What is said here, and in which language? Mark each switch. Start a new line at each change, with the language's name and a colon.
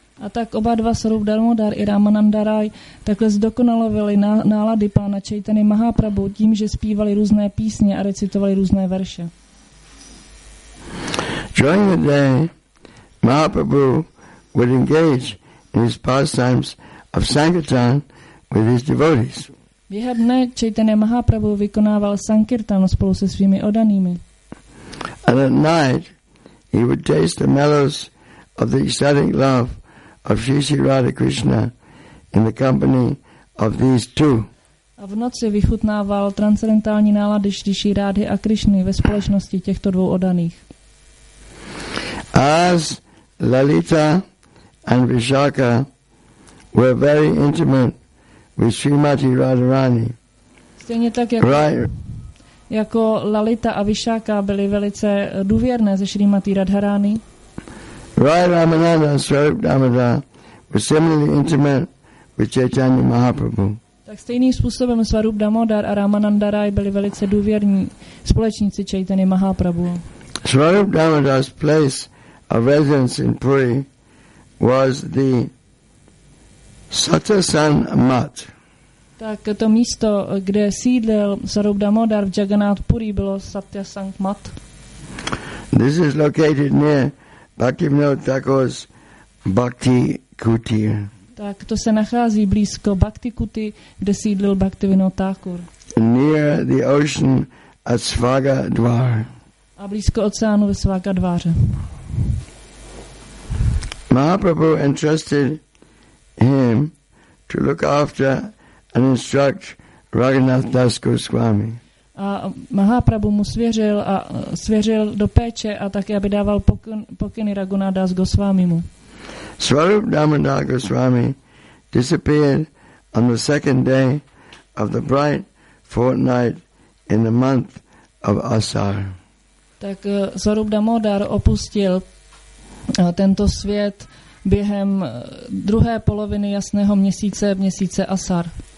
Czech: A tak oba dva Swarup Damodar i Ramananda Rai takhle zdokonalovali nálady pána Chaitany Mahaprabhu tím, že zpívali různé písně a recitovali různé verše.
English: During the day, Mahaprabhu would engage in his pastimes of sankirtan with his devotees.
Czech: Během dne Chaitanya Mahaprabhu vykonával sankirtan spolu se svými oddanými.
English: And at night, he would taste the mellows of the ecstatic love of Sri Sri Radha Krishna in the company of these two.
Czech: A v noci vychutnával transcendentální nálady Sri Radhy a Krishny ve společnosti těchto dvou oddaných.
English: As Lalita and Vishakha were very intimate with Srimati Radharani.
Czech: Stejně tak, jako Lalita a Vishakha byly velice důvěrné ze Srimati Radharani.
English: Rai Ramananda and Swarup Damodar were similarly intimate with Chaitanya Mahaprabhu.
Czech: Tak stejným způsobem Swarup Damodar a Ramananda Rai byli velice důvěrní společníci Chaitanya Mahaprabhu.
English: Swarup Damodar's place of residence in Puri was the Satasan Mat.
Czech: Tak to místo, kde sídlil Swarup Damodar v Jagannath Puri, bylo Satyasang Mat.
English: This is located near Bhaktivinoda Thakur's Bhakti Kutir.
Czech: Tak to se nachází blízko Bhakti Kuti, kde sídlil Bhaktivinoda Thakur.
English: Near the ocean at Svagadvar.
Czech: A blízko oceánu ve Svagadváře.
English: Mahaprabhu entrusted him to look after and instruct Raghunath Das Goswami.
Czech: A Mahaprabhu mu svěřil do péče a také, aby dával pokyny Raghunath Das Goswami mu.
English: Swarup Damodar Goswami disappeared on the second day of the bright fortnight in the month of Asar.
Czech: Tak Swarup Damodar opustil tento svět během druhé poloviny jasného měsíce, měsíce Asar.